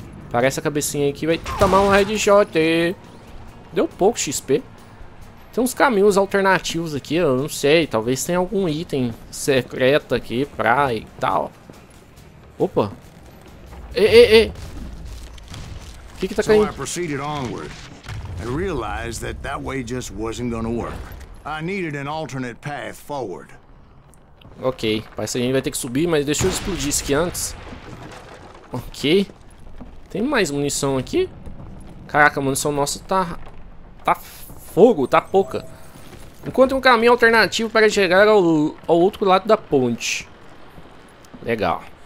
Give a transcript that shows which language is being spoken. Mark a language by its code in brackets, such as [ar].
[pt] Parece a cabecinha aí que vai tomar um headshot. Deu pouco XP. Tem uns caminhos alternativos aqui, eu não sei. Talvez tenha algum item secreto aqui pra e tal. Opa! Ei! O que tá caindo? Então, [en] and realized that that way just wasn't gonna work. I needed an alternate path forward. [pt] Ok, parece que a gente vai ter que subir, mas deixa eu explodir isso aqui antes. Ok. Tem mais munição aqui? Caraca, a munição nossa tá fogo, tá pouca. Encontre um caminho alternativo para chegar ao outro lado da ponte. Legal.